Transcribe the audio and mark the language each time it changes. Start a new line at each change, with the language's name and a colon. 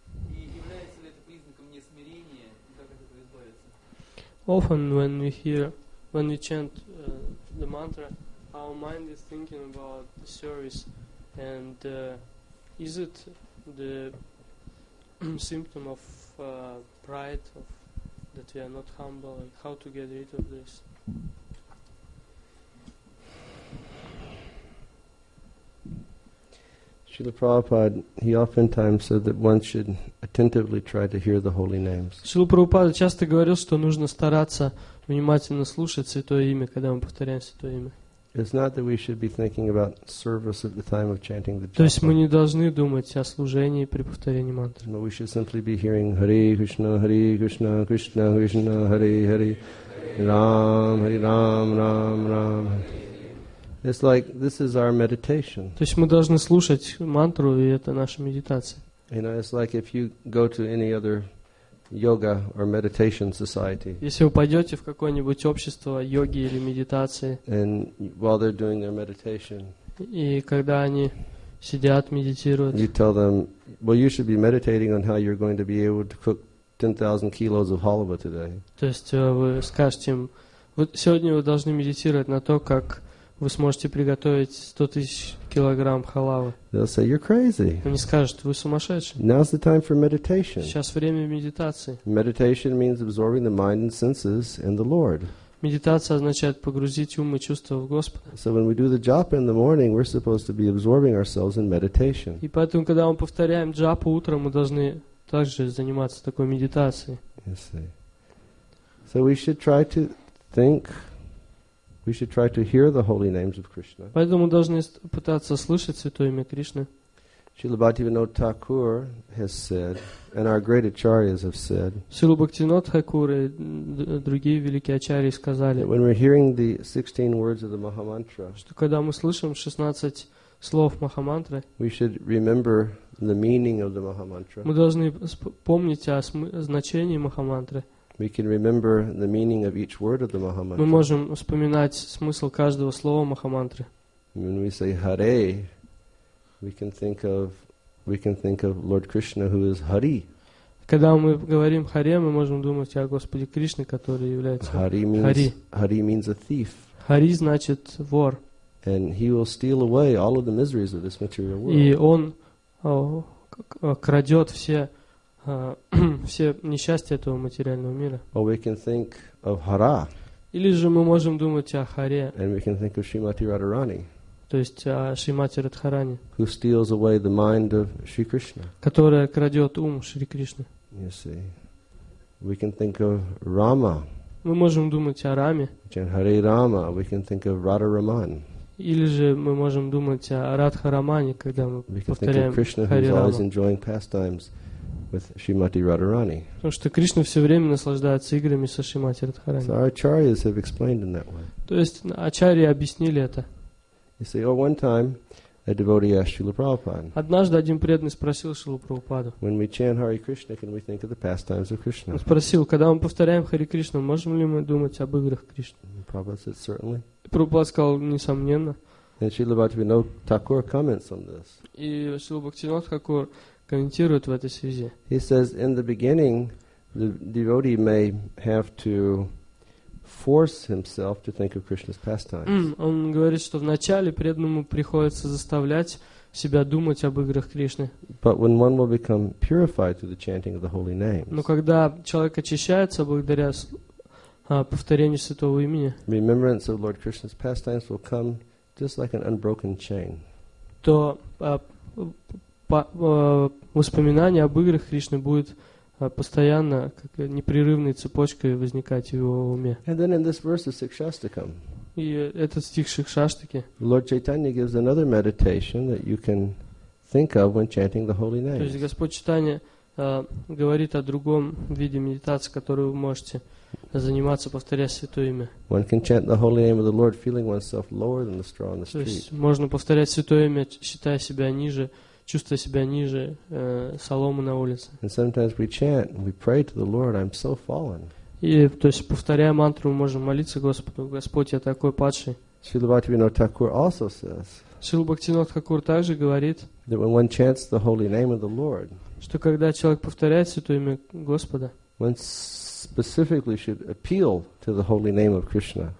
Russian: И является ли это признаком несмирения? Как от этого избавиться?
English: Often when we hear, when we chant the mantra, our mind is thinking about the service. And is it the symptom of pride, of that we are not humble, and how to get rid of this? Srila Prabhupada, he oftentimes said that one should attentively try to hear the holy names.
Russian: Srila Prabhupada часто говорил, что нужно стараться внимательно слушать святое имя, когда мы повторяем святое имя.
English: It's not that we should be thinking about service at the time of chanting the japa.
Russian: То есть мы не должны думать о служении при повторении мантры.
English: But we should simply be hearing Hare Krishna, Krishna Krishna, Hare Hare, Ram Hare Ram, Ram Ram. It's like this is our meditation.
Russian: То есть мы должны слушать мантру, и это наша медитация.
English: You know, it's like if you go to any other yoga or meditation society.
Russian: Если вы пойдете в какое-нибудь общество йоги или медитации,
English: and while they're doing their meditation,
Russian: и когда они сидят, медитируют,
English: you tell them, well, you should be meditating on how you're going to be able to cook 10,000 kilos of halva today.
Russian: То есть вы скажете им, вот сегодня вы должны медитировать на то, как вы сможете приготовить 100 тысяч килограмм халавы.
English: They'll say, you're crazy.
Russian: Они скажут, вы сумасшедший.
English: Now's the time for meditation.
Russian: Сейчас время медитации.
English: Meditation means absorbing the mind and senses in the Lord.
Russian: Медитация означает погрузить ум и чувства в Господа.
English: So when we do the japa in the morning, we're supposed to be absorbing ourselves in meditation.
Russian: И поэтому, когда мы повторяем джапу утром, мы должны также заниматься такой медитацией.
English: So we should try to think We should try to hear the holy names of Krishna.
Russian: Поэтому должны пытаться слышать святое имя Кришны.
English: Srila Bhaktivinoda Thakur has said, and our great acharyas have said,
Russian: Srila Bhaktivinoda Thakur и другие великие ачарьи сказали,
English: when we're hearing the 16 words of the Mahamantra,
Russian: что когда мы слышим 16 слов Махамантры,
English: we should remember the meaning of the Mahamantra.
Russian: Мы должны помнить о значении Махамантры.
English: We can remember the meaning of each word of the Mahamantra.
Russian: Мы можем вспоминать смысл каждого слова Махамантры.
English: When we say Hare, we can think of Lord Krishna, who is Hari.
Russian: Когда мы говорим Харе, мы можем думать о Господе Кришне, который является
English: Hari. Hari means a thief.
Russian: Hari значит вор.
English: And he will steal away all of the miseries of this material world.
Russian: И он крадет все. Все несчастья этого материального мира.
English: Or we can think of Hara.
Russian: Или же мы можем думать о Харе.
English: And we can think of Shrimati Radharani.
Russian: То есть о Шримати Радхарани.
English: Who steals away the mind of Shri Krishna.
Russian: Которая крадет ум Шри Кришны.
English: You see. We can think of Rama.
Russian: Мы можем думать о Раме.
English: And Hare Rama. We can think of Radha Raman.
Russian: Или же мы можем думать о Радха Рамане, когда мы повторяем Харе Рама.
English: Of Krishna, who's always enjoying pastimes with Shrimati Radharani.
Russian: Потому что Кришна все время наслаждается играми со Шримати Радхарани.
English: So our acharyas have explained in that way.
Russian: То есть ачарьи объяснили это.
English: You see, oh, one time a devotee asked Srila Prabhupada.
Russian: Однажды один преданный спросил Шрилу Прабхупаду.
English: When we chant Hare Krishna, can we think of the pastimes of Krishna?
Russian: Он спросил, когда мы повторяем Хари Кришну, можем ли мы думать об играх Кришны?
English: Prabhupada said, certainly.
Russian: Прабхупада сказал, несомненно.
English: And Srila Bhaktivinoda Thakur comments on this.
Russian: И Шрила Бхактивинода Тхакур комментирует в этой связи.
English: He says, in the beginning, the devotee may have to force himself to think of Krishna's pastimes.
Russian: Он говорит, что вначале преданному приходится заставлять себя думать об играх Кришны.
English: But when one will become purified through the chanting of the holy names.
Russian: Но когда человек очищается благодаря повторению святого имени.
English: Remembrance of Lord Krishna's pastimes will come just like an unbroken chain.
Russian: То воспоминание об играх Кришны будет постоянно, как непрерывной цепочкой возникать в его уме.
English: And then in this verse of Sikshastakam,
Russian: и этот стих Шикшаштаки,
English: Lord Chaitanya gives another meditation that you can think of when chanting the holy names.
Russian: То есть Господь Читания говорит о другом виде медитации, которую вы можете заниматься, повторяя святое имя.
English: One can chant the holy name of the Lord feeling oneself lower than the straw on the street.
Russian: То есть можно повторять святое имя, считая себя ниже, чувствуя себя ниже соломы на улице.
English: And sometimes we chant, we pray to the Lord, I'm so fallen.
Russian: И, то есть, повторяя мантру, мы можем молиться Господу, Господь, я такой падший.
English: Srila Bhaktivinoda Thakur also says,
Russian: Srila Bhaktivinoda Thakur также говорит,
English: that when one chants the holy name of the Lord,
Russian: что когда человек повторяет святое имя Господа,
English: one specifically should appeal to the holy name of Krishna.